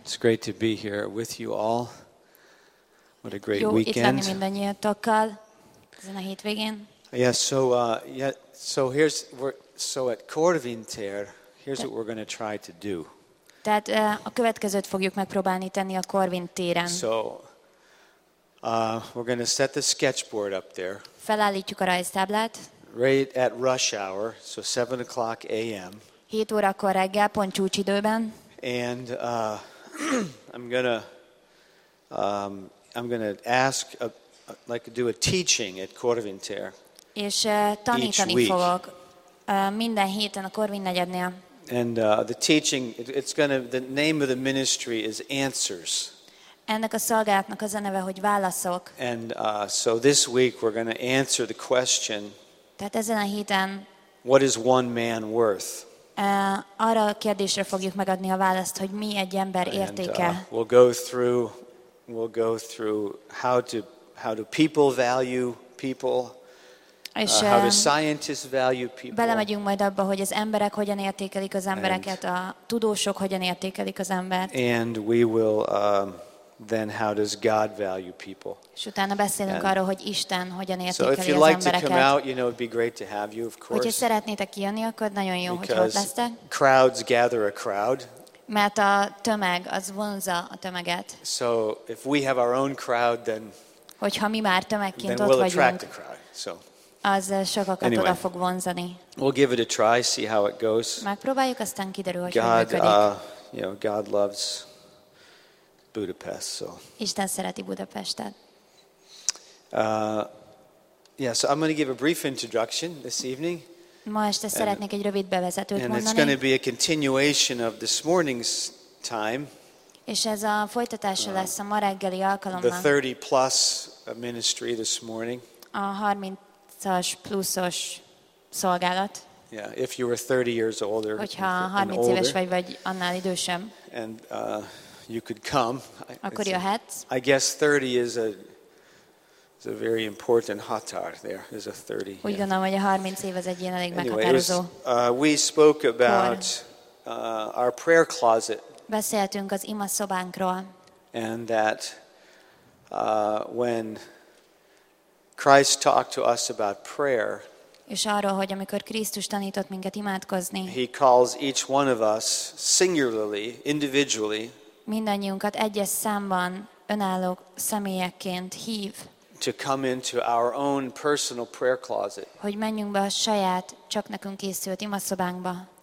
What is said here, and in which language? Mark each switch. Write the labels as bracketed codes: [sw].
[en] It's great to be here with you all. What a great [hu] Jó, [en] weekend. [hu] Jó itt lenni mindannyiatokkal ezen a hétvégén. [en] So at Corvinter, here's what we're going to try to do. [hu] Tehát a következőt fogjuk megpróbálni tenni a Corvinteren. [en] We're going to set the sketchboard up there. [hu] Felállítjuk a rajztáblát. [en] Right at rush hour, so 7 o'clock a.m. [hu] 7 órakor reggel, pont csúcsidőben. [en] And I'm gonna ask do a teaching at Corvinter. [hu] És tanítani fogok minden héten a Corvin negyednél. [en] And the name of the ministry is Answers. [hu] Ennek a szolgálatnak az a neve, hogy Válaszok. [en] And so this week we're gonna answer the question. [hu] Tehát ezen a héten. [en] What is one man worth? [hu] Arra a kérdésre fogjuk megadni a választ, hogy mi egy ember értéke. [en] We'll go through how do people value people. How do scientists value people? [hu] Belemegyünk majd abba, hogy az emberek hogyan értékelik az embereket, a tudósok hogyan értékelik az embert. [en] And we will then how does God value people? [hu] És utána beszélünk arról, hogy Isten hogyan értékeli az embereket. [en] So if you'd like to come out, you know, it'd be great to have you, of course. [hu] Hogyha szeretnétek jönni, akkor nagyon jó, hogy ott lesztek. [en] Because crowds gather a crowd. [hu] Mert a tömeg az vonza a tömeget. [en] So if we have our own crowd, then [hu] hogyha mi már tömegként [en] then [hu] ott [en] we'll [hu] vagyunk, [en] attract a crowd. So [hu] az sokakat oda fog vonzani. [en] We'll give it a try, see how it goes. [hu] Megpróbáljuk, aztán kiderül, hogy [en] God, [hu] hogy működik. [en] God loves Budapest, so. [hu] Isten szereti Budapestet. [en] So I'm going to give a brief introduction this evening. [hu] Ma este szeretnék egy rövid bevezetőt mondani. [en] And it's going to be a continuation of this morning's time. [hu] És ez a folytatása lesz a ma reggeli alkalommal. [en] The 30 plus ministry this morning. [hu] A 30-as pluszos szolgálat. [en] Yeah, if you were 30 years older. [hu] Hogyha 30 éves vagy annál idősem. [en] And you could come. [hu] Akkor jöhetsz. [en] I guess 30 is a very important határ there. [hu] Is a 30. Úgy gondolom, hogy a 30 év az egy ilyen elég meghatározó. [en] Anyway, we spoke about our prayer closet. [hu] Beszéltünk az ima szobánkról. [en] And that when Christ talked to us about prayer. [hu] És arról, hogy amikor Krisztus tanított minket imádkozni. [en] He calls each one of us singularly, individually. [hu] Mindannyiunkat egyes számban önálló személyekként hív. [en] To come into our own personal prayer closet. [hu] Hogy menjünk be a saját, csak nekünk készült imaszobánkba.